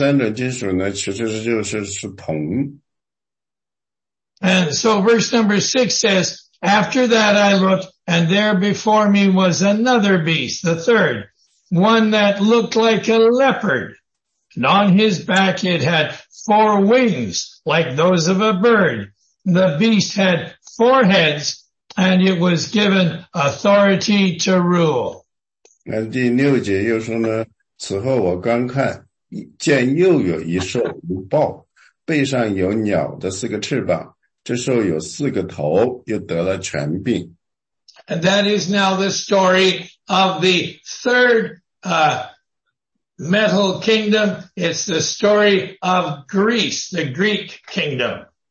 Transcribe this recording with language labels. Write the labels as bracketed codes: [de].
[zh] 所以大家也都记得，但那有第三种金属，第三种金属呢，其实就是铜。 [en] And so verse number 6 says, after that I looked, and there before me was another beast, the third, one that looked like a leopard. And on his back it had four wings, like those of a bird. The beast had four heads, and it was given authority to rule. [zh] 那第六节又说呢，此后我观看，见又有一兽如豹，背上有鸟的四个翅膀。这兽有四个头，又得了权柄。 [en] And that is now the story of the third metal kingdom. It's the story of Greece, the Greek kingdom.